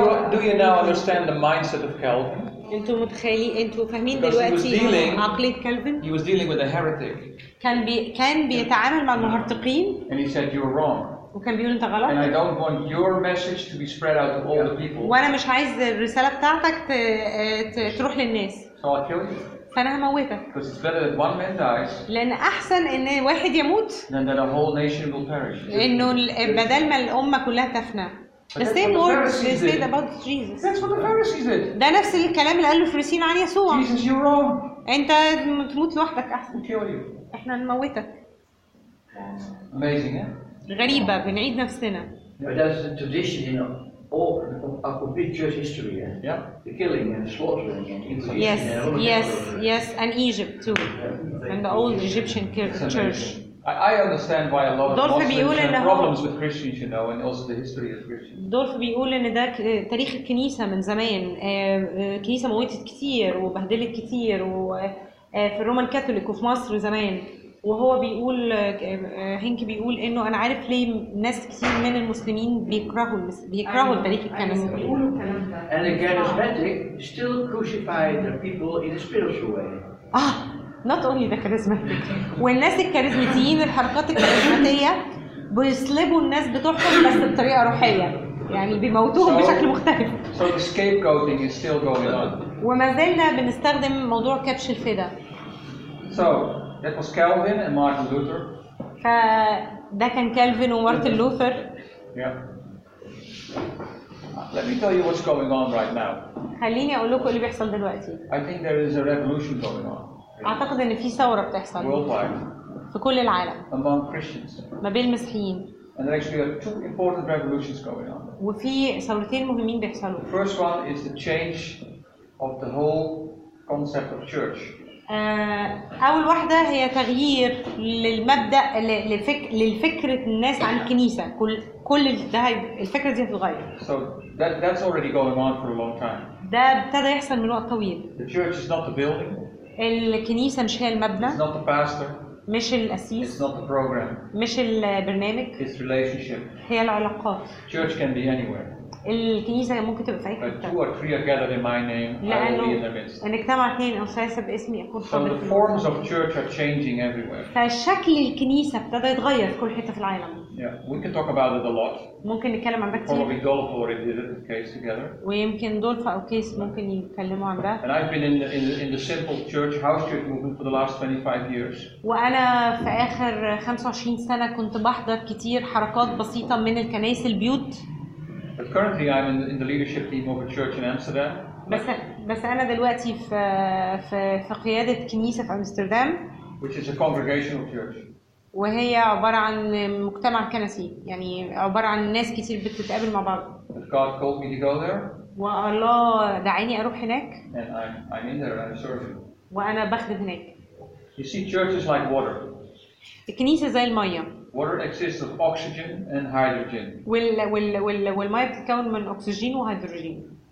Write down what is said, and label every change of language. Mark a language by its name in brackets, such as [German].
[English] Do you now understand the mindset of Calvin? [Arabic] انتوا متخيلين انتوا فاهمين دلوقتي عقليه كالفن؟ [English] He was dealing with a heretic. [Arabic] كان بيتعامل مع المهرطقين. [English] And he said you're wrong. [Arabic] وكان بيقول انت غلط. [English] And I don't want your message to be spread out to all the people. [Arabic] وانا مش عايز الرساله بتاعتك تروح للناس. [English] So I killed you. [Arabic] فانا هموتك. [English] Because it's better that one man dies. [Arabic] لان احسن ان واحد يموت. [English] Than that a whole nation will perish. [Arabic] انه بدل ما الامه كلها تفنى. [English] The same words they said about Jesus. That's what the Pharisees did. [Arabic] ده نفس الكلام اللي قاله الفريسيين عن يسوع. [English] Jesus, you're wrong. [Arabic] انت تموت لوحدك احسن. [English] Kill you. [Arabic] احنا نموتك. [English] Amazing, eh? [Arabic] غريبة بنعيد نفسنا. [English] But that's the tradition in a complete church history. Yeah. The killing and the slaughtering and Inquisition. Yes, yes, yes, and Egypt too, and the old Egyptian church. I understand why a lot of Muslims have problems with Christians, you know, and also the history of Christians. [Arabic] دولف بيقول إن ده تاريخ الكنيسة من زمان. الكنيسة موتت كتير وبهدلت كتير وفي الرومان كاثوليك وفي مصر زمان. وهو بيقول هينك بيقول انه انا عارف ليه ناس كتير من المسلمين بيكرهوا التاريخ الكنسي بيقولوا الكلام ده. [English] And the charismatic still crucify the people in a spiritual way. اه not only the charismatic. [Arabic] والناس الكاريزماتيين الحركات الكاريزماتيه بيصلبوا الناس بتوعهم بس بطريقه روحيه يعني بيموتوهم بشكل مختلف. [English] So the scapegoating is still going on. [Arabic] وما زلنا بنستخدم موضوع كبش الفداء. [English] So that was Calvin and Martin Luther. [Arabic] فده كان كالفين ومارتن لوثر. [English] Yeah. Let me tell you what's going on right now. [Arabic] خليني أقول لكم اللي بيحصل دلوقتي. [English] I think there is a revolution going on. [Arabic] أعتقد إن في ثورة بتحصل. [English] Worldwide. [Arabic] في كل العالم. [English] Among Christians. [Arabic] ما بين المسيحيين. [English] And there actually are two important revolutions going on. [Arabic] وفي ثورتين مهمين بيحصلوا. [English] The first one is the change of the whole concept of church. [Arabic] أول واحدة هي تغيير للمبدأ للفكرة الناس عن الكنيسة كل ده الفكرة دي هتتغير. [English] So that's already going on for a long time. [Arabic] ده ابتدى يحصل من وقت طويل. [English] The church is not the building. [Arabic] الكنيسة مش هي المبنى. [English] It's not the pastor. [Arabic] مش الأسيس. [English] It's not the program. [Arabic] مش البرنامج. [English] It's relationship. [Arabic] هي العلاقات. [English] Church can be anywhere. [Arabic] الكنيسة ممكن تبقى في أي حتة. [English] Two or three are gathered in my name. I will be in their midst. [Arabic] لأنه اجتمع اثنين أو ثلاثة باسمي أكون حاضر. [English] So the forms of church are changing everywhere. [Arabic] فشكل الكنيسة ابتدى يتغير في كل حتة في العالم. [English] Yeah, we can talk about it a lot. [Arabic] ممكن نتكلم عن ده كتير. [English] Probably Dolph already did it in case together. [Arabic] ويمكن دولف أو كيس ممكن يتكلموا عن ده. [English] And I've been in the simple church house church movement for the last 25 years. [Arabic] وأنا في آخر 25 سنة كنت بحضر كتير حركات بسيطة من الكنائس البيوت. [English] But currently, I'm in the leadership team of a church in Amsterdam. [Arabic] بس أنا دلوقتي في قيادة كنيسة في أمستردام. [English] Which is a congregational church. [Arabic] وهي عبارة عن مجتمع كنسي يعني عبارة عن ناس كتير بتتقابل مع بعض. [English] But God called me to go there. [Arabic] والله دعاني أروح هناك. [English] And I'm in there and I'm serving. [Arabic] وأنا بخدم هناك. [English] You see, church is like water. [Arabic] الكنيسة زي المية. [English] Water exists of oxygen and hydrogen. [Arabic] والماء بتتكون من أكسجين وهيدروجين.